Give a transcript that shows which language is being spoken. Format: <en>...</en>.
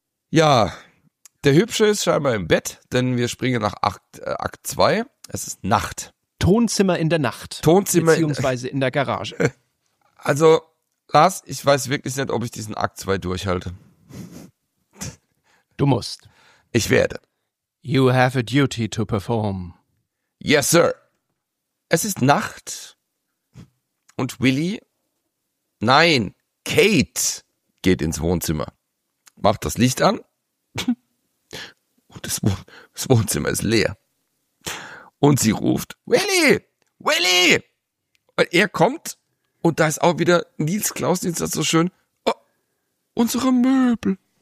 <de>Ja, der Hübsche ist scheinbar im Bett, denn wir springen nach Akt 2. Es ist Nacht. Tonzimmer in der Nacht. Tonzimmer. Beziehungsweise in der Garage. Also, Lars, ich weiß wirklich nicht, ob ich diesen Akt 2 durchhalte. Du musst. Ich werde.</de> <en>You have a duty to perform. Yes, sir.</en> <de>Es ist Nacht und Willy, nein, Kate geht ins Wohnzimmer, macht das Licht an und das Wohnzimmer ist leer. Und sie ruft, Willy, Willy! Und er kommt und da ist auch wieder Nils Klaus, Nils sagt so schön, oh, unsere Möbel.</de>